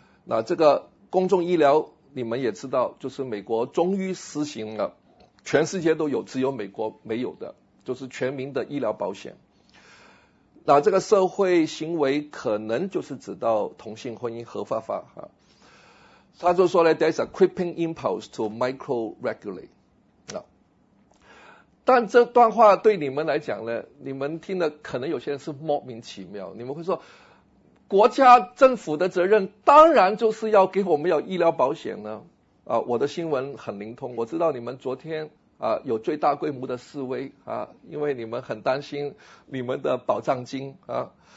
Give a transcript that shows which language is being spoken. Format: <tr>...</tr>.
<zh>那这个公众医疗你们也知道，就是美国终于实行了，全世界都有，只有美国没有的，就是全民的医疗保险。那这个社会行为可能就是指到同性婚姻合法化啊。他就说呢 ，</zh> <en>there's a creeping impulse to micro regulate</en> <zh>啊。但这段话对你们来讲呢，你们听的可能有些人是莫名其妙，你们会说，国家政府的责任当然就是要给我们有医疗保险呢啊。我的新闻很灵通，我知道你们昨天啊有最大规模的示威啊，因为你们很担心你们的保障金啊。</zh>